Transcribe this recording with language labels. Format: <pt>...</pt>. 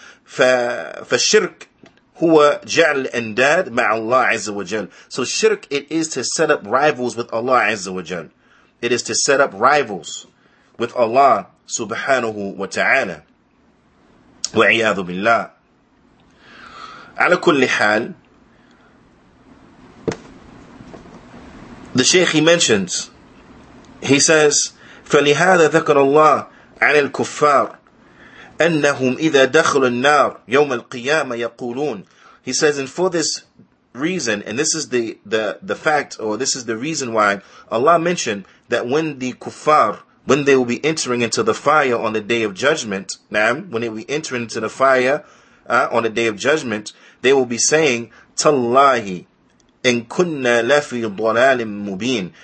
<ar>فَشِرْك هُوَ جَعْلْ أَنْدَادْ مَعَ اللَّهِ عَزَّ وَجَلْ.</ar> <en>So shirk, it is to set up rivals with Allah Azza wa Jal. It is to set up rivals with Allah subhanahu wa ta'ala.</en> <ar>وَعِيَاذُ بِاللَّهِ. عَلَى كُلِّ حَالٍ,</ar> <en>the Shaykh, he mentions, he says,</en> <ar>فَلِهَذَا ذَكَرَ اللَّهُ عَلَى الْكُفَّارِ أَنَّهُمْ إِذَا دَخَلُوا النَّارِ يَوْمَ الْقِيَامَةِ يَقُولُونَ.</ar> <en>He says, and for this reason, and this is the fact, or this is the reason why Allah mentioned that when the kuffar, when they will be entering into the fire on the day of judgment, when they will be entering into the fire on the day of judgment, they will be saying,</en> <ar>تَاللَّهِ إِن كُنَّا لَفِي ضَلَالٍ مُبِينٍ.</ar>